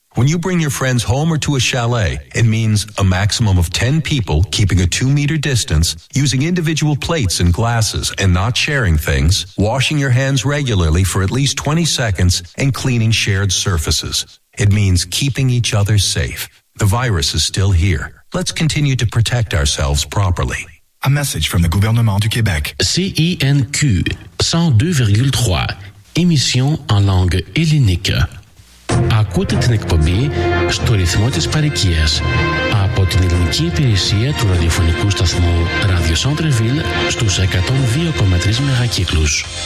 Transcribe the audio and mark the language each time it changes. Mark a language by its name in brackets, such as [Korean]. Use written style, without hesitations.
[English] When you bring your friends home or to a chalet, it means a maximum of 10 people keeping a 2-meter distance, using individual plates and glasses and not sharing things, washing your hands regularly for at least 20 seconds, and cleaning shared surfaces. It means keeping each other safe. The virus is still here. Let's continue to protect ourselves properly. A message from the gouvernement du Québec. [French] CINQ 102,3. Émission en langue hellénique. [Greek] Ακούτε την εκπομπή στο ρυθμό της παροικίας από την ελληνική υπηρεσία του ραδιοφωνικού σταθμού Radio Centreville στους 102,3 μεγακύκλους.